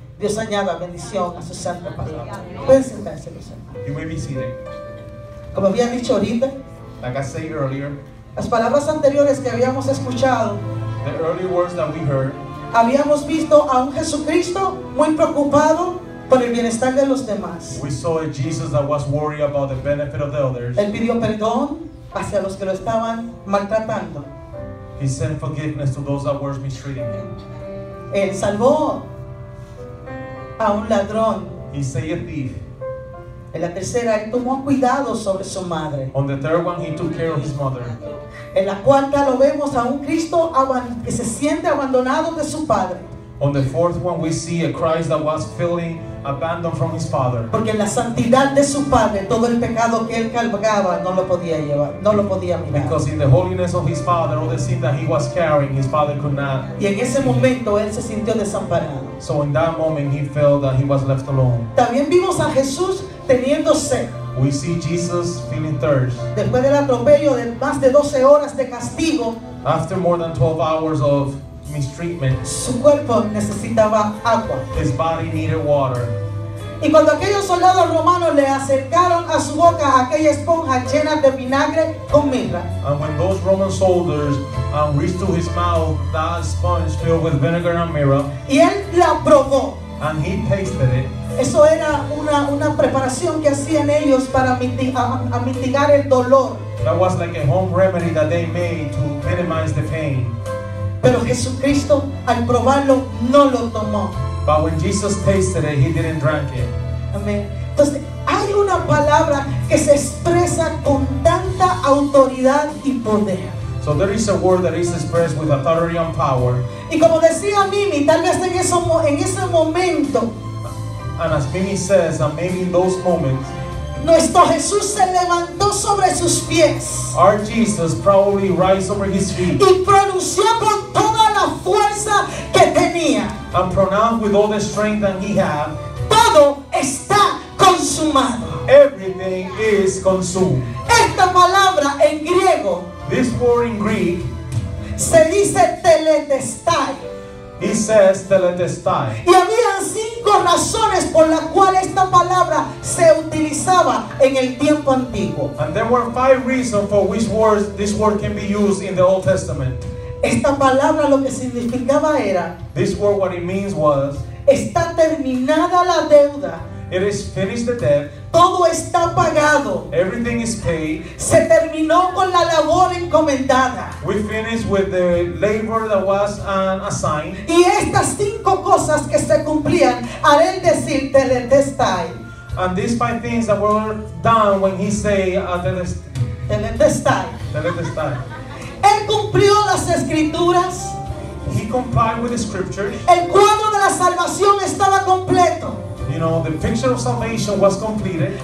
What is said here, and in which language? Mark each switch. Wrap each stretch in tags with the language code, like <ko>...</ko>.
<es>Dios añada bendición a su santa palabra. Pueden sentarse los hermanos. Como había dicho ahorita,</es> <en>like I said earlier,</en> <es>las palabras anteriores que habíamos escuchado,</es> <en>the early words that we heard,</en> <es>habíamos visto a un Jesucristo muy preocupado por el bienestar de los demás.</es> <en>We saw a Jesus that was worried about the benefit of the others.</en> <es>Él pidió perdón hacia los que lo estaban maltratando.</es> <en>He sent forgiveness to those that were mistreating him.</en> <es>Él salvó a un ladrón.</es> <en>He saved a thief.</en> <es>En la tercera, él tomó cuidado sobre su madre.</es> <en>On the third one, he took care of his mother.</en> <es>en la cual ya lo vemos a un Cristo que se siente abandonado de su padre.</es> <en>On the fourth one, we see a Christ that was feeling abandoned from his father.</en> <es>Porque en la santidad de su padre, todo el pecado que él cargaba no lo podía llevar, no lo podía mirar.</es> <en>Because in the holiness of his father, all the sin that he was carrying, his father could not.</en> <es>Y en ese momento él se sintió desamparado.</es> <en>So in that moment he felt that he was left alone.</en> <es>También vimos a Jesús teniendo sed.</es> <en>We see Jesus feeling thirst.</en> <es>Después del atropello de más de 12 horas de castigo,</es> <en>after more than 12 hours of mistreatment,</en> <es>su cuerpo necesitaba agua.</es> <en>His body needed water.</en> <es>Y cuando aquellos soldados romanos le acercaron a su boca aquella esponja llena de vinagre con mirra,</es> <en>and when those Roman soldiers reached to his mouth that sponge filled with vinegar and mirra,</en> <es>y él la probó,</es> <en>and he tasted it.</en> <es>Eso era una preparación que hacían ellos para mitigar el dolor.</es> <en>That was like a home remedy that they made to minimize the pain.</en> <es>Pero Jesucristo al probarlo no lo tomó. But when Jesus tasted it, he didn't drink it. Amén. Entonces, hay una palabra que se expresa con tanta autoridad y poder.</es> <en>So there is a word that is expressed with authority and power.</en> <es>Y como decía Mimi, tal vez en ese momento.</es> <en>And as Mimi says, and maybe in those moments,</en> <es>nuestro Jesús se levantó sobre sus pies.</es> <en>Our Jesus probably rise over his feet.</en> <es>Y pronunció con toda la fuerza que tenía.</es> <en>And pronounced with all the strength that he had.</en> <es>Todo está consumado.</es> <en>Everything is consumed.</en> <es>Esta palabra en griego.</es> <en>This word in Greek.</en> <es>Se dice teletestai.</es> <en>He says teletestai.</en> <es>Y había cinco razones por las cuales esta palabra se utilizaba en el tiempo antiguo.</es> <en>And there were five reasons for which words this word can be used in the Old Testament.</en> <es>Esta palabra lo que significaba era.</es> <en>This word what it means was.</en> <es>Está terminada la deuda.</es> <en>It is finished the debt.</en> <es>Todo está pagado.</es> <en>Everything is paid.</en> <es>Se terminó con la labor encomendada.</es> <en>We finished with the labor that was assigned.</en> <es>Y estas cinco cosas que se cumplían al él decir teletestai.</es> <en>And these five things that were done when he say</en> <el>teletestai. Teletestai.</el> <es>Él cumplió las escrituras.</es> <en>He complied with the scriptures.</en> <es>El cuadro de la salvación estaba completo.</es> <en>You know, the picture of salvation was completed.</en>